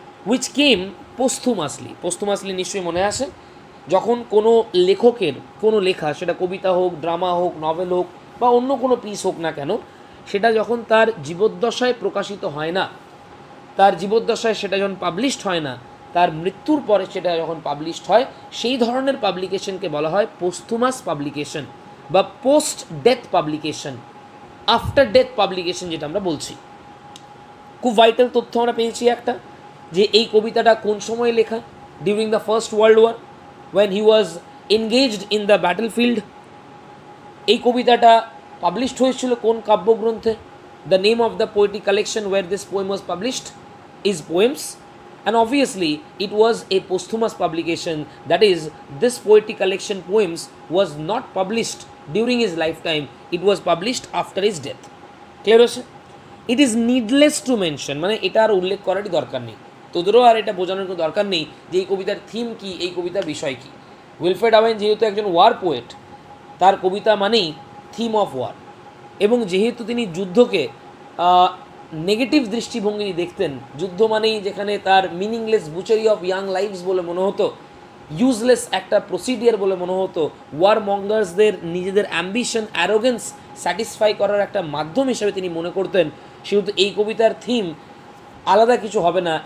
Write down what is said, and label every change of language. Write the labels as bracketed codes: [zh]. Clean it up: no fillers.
[en] which came posthumously, [bn] পোস্থুমাসলি নিশ্চয়ই মনে আছে, যখন কোনো লেখকের কোনো লেখা, সেটা কবিতা হোক, ড্রামা হোক, নভেল হোক বা অন্য কোনো পিস হোক না কেন, সেটা যখন তার জীবদ্দশায় প্রকাশিত হয় না, তার জীবদ্দশায় সেটা যখন পাবলিশড হয় না, তার মৃত্যুর পরে সেটা যখন পাবলিশড হয়, সেই ধরনের পাবলিকেশনকে বলা হয় পোস্থুমাস পাবলিকেশন বা post death publication, after death publication যেটা আমরা বলছি। খুব ভাইটাল তথ্য আমরা পেয়েছি একটা, যে এই কবিতাটা কোন সময় লেখা, [en] During the first world war, when he was engaged in the battlefield. [bn] এই কবিতাটা পাবলিশড হয়েছিল কোন কাব্যগ্রন্থে, [en] The name of the poetry collection where this poem was published is poems, and obviously it was a posthumous publication, that is this poetic collection poems was not published during his lifetime, it was published after his death. clear? It is needless to mention, [bn] মানে এটা আর উল্লেখ করারই দরকার নেই, তোদেরও আর এটা বোঝানোর কোনো দরকার নেই যে এই কবিতার থিম কী, এই কবিতার বিষয় কী। উইলফ্রেড আওয়েন যেহেতু একজন ওয়ার পোয়েট, তার কবিতা মানেই থিম অফ ওয়ার, এবং যেহেতু তিনি যুদ্ধকে নেগেটিভ দৃষ্টিভঙ্গি দেখতেন, যুদ্ধ মানেই যেখানে তার [en] meaningless butchery of young lives [bn] বলে মনে হতো, ইউজলেস একটা প্রসিডিয়ার বলে মনে হতো, ওয়ার মঙ্গার্সদের নিজেদের অ্যাম্বিশন অ্যারোগেন্স স্যাটিসফাই করার একটা মাধ্যম হিসেবে তিনি মনে করতেন, সেহেতু এই কবিতার থিম আলাদা কিছু হবে না।